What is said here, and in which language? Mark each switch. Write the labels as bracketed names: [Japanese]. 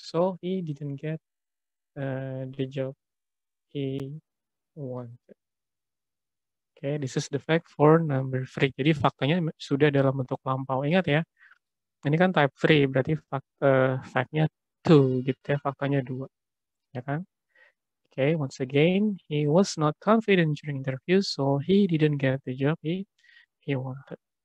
[English] So, he didn't get the job he wanted. Okay, this is the fact for number three. [Indonesian] Jadi, faktanya sudah dalam bentuk lampau. Ingat ya, ini kan type 3, berarti fact-nya 2, gitu ya, faktanya 2, ya kan? [English] Okay, once again, he was not confident during interview, so he didn't get the job he wanted.